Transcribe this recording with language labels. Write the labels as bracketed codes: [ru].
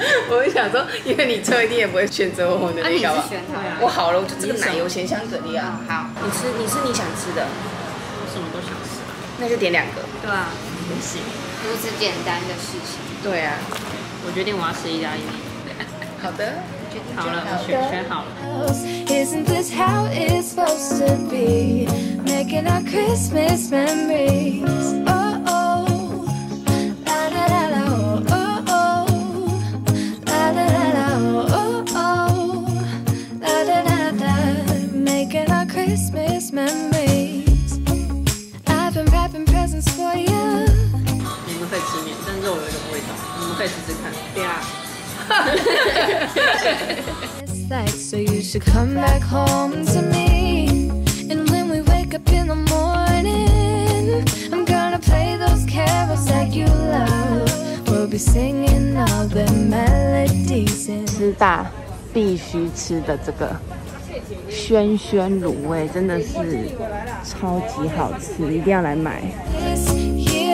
[zh] 我是想说，因为你车一定也不会选择我们的那个吧？啊、你是选他、啊。我好了，我就这个奶油咸香蛤蜊啊。好。你吃你想吃的。我什么都想吃、啊。那就点两个。对啊。不行。如此简单的事情。对啊，我决定我要吃意大利面。好的，好了，我选好了。 [en] Isn't this how it's supposed to be? Making our Christmas memories. Oh oh, la la la oh oh, la la la la oh oh, la la la la. Making our Christmas memories. I've been wrapping presents for you. [zh] 可以吃面，但肉有一种味道，你们可以试试看。对啊。 [en] It's like, so you should come back home to me. And when we wake up in the morning, I'm gonna play those carols that you love. We'll be singing all the melodies. [zh] 师大必须吃的这个轩轩卤味真的是超级好吃，一定要来买。